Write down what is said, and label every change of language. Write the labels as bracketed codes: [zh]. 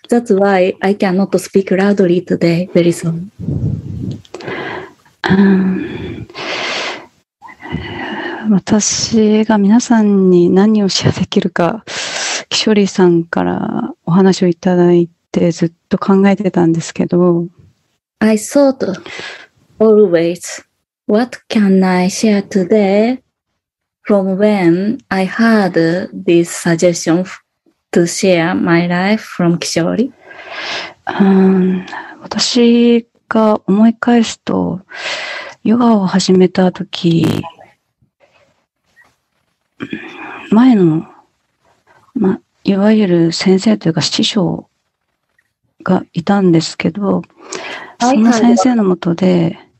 [en] That's why I cannot speak loudly today, very soon. [ja] 私が皆さんに何をシェアできるか、キショリーさんからお話をいただいてずっと考えてたんですけど。 [en] I thought always, what can I share today from when I heard this suggestion to share my life from キショリー? [ja] 私が思い返すと、ヨガを始めた時、前の、いわゆる先生というか師匠がいたんですけど、その先生のもとで、